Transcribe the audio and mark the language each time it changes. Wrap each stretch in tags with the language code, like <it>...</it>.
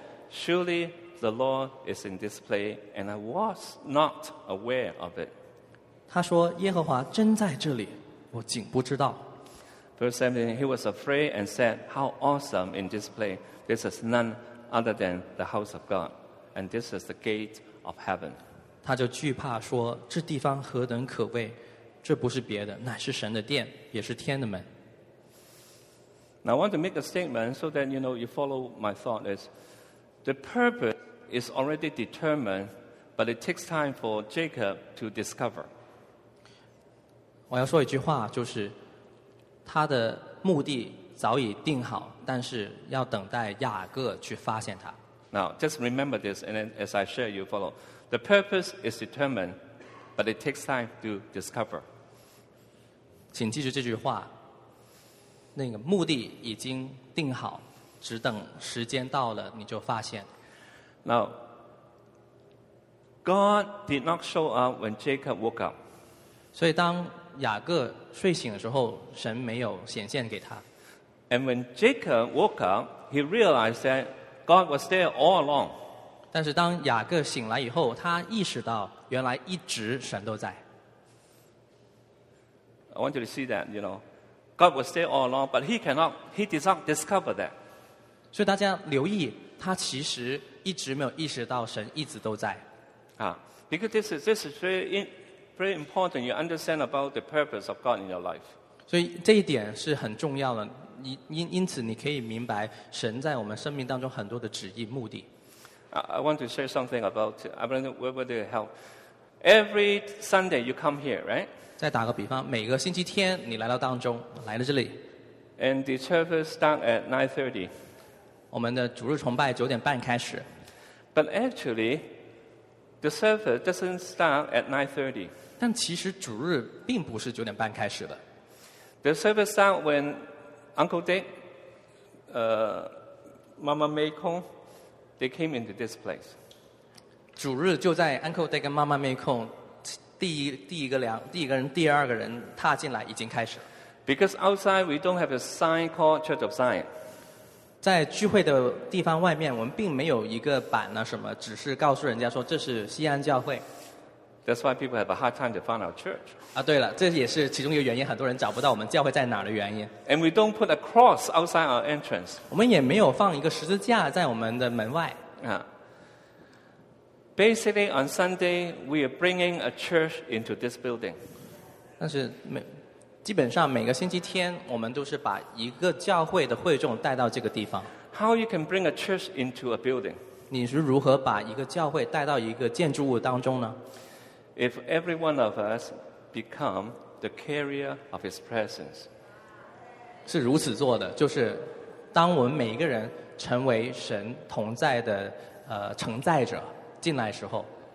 <en>Surely the Lord is in this place, and I was not aware of it.</en> <zh>他说耶和华真在这里，我竟不知道。</zh> <en>Verse 17, he was afraid and said, "How awesome in this place! This is none other than the house of God, and this is the gate of heaven."</en> <zh>他就惧怕说，这地方何等可畏，这不是别的，乃是神的殿，也是天的门。</zh> <en>Now I want to make a statement so that you know you follow my thought is. The purpose is already determined, but it takes time for Jacob to discover.</en> <zh>我要说一句话，就是他的目的早已定好，但是要等待雅各去发现他。</zh> <en>Now, just remember this, and then as I share, you follow. The purpose is determined, but it takes time to discover.</en> <zh>请记住这句话，那个目的已经定好。只等时间到了，你就发现。</zh> <en>Now, God did not show up when Jacob woke up.</en> <zh>所以当雅各睡醒的时候，神没有显现给他。</zh> <en>And when Jacob woke up, he realized that God was there all along.</en> <zh>但是当雅各醒来以后，他意识到原来一直神都在。</zh> <en>I want you to see that, you know, God was there all along, but he did not discover that.</en> <zh>所以大家留意，他其实一直没有意识到神一直都在。</zh> <en>Because this is very important. You understand about the purpose of God in your life.</en> <zh>所以这一点是很重要的。因此你可以明白神在我们生命当中很多的旨意目的。</zh> <en>I want to share something about. I don't know whether it helps. Every Sunday you come here, right?</en> <zh>再打个比方，每个星期天你来到当中，来了这里。</zh> <en>And the service starts at 9:30.</en> <zh>我们的主日崇拜九点半开始。</zh> <en>But actually, the service doesn't start at 9:30.</en> <zh>但其实主日并不是九点半开始的。</zh> <en>The service starts when Uncle Dave, Mama Mei Kong, they came into this place.</en> <zh>主日就在 Uncle Dave 跟 Mama Mei Kong 第一个人、第二个人踏进来已经开始了。</zh> <en>Because outside we don't have a sign called Church of Zion.</en> <zh>在聚会的地方外面，我们并没有一个板呢，什么，只是告诉人家说这是西安教会。</zh> <en>That's why people have a hard time to find our church.</en> <zh>啊，对了，这也是其中一个原因，很多人找不到我们教会在哪儿的原因。</zh> <en>And we don't put a cross outside our entrance.</en> <zh>我们也没有放一个十字架在我们的门外。</zh> <en>Basically, on Sunday, we are bringing a church into this building.</en> <zh>但是基本上每个星期天，我们都是把一个教会的会众带到这个地方。</zh> <en>How you can bring a church into a building?</en> <zh>你是如何把一个教会带到一个建筑物当中呢</zh> <en>？If every one of us become the carrier of His presence,</en> <zh>是如此做的，就是当我们每一个人成为神同在的承载者进来时候。</zh>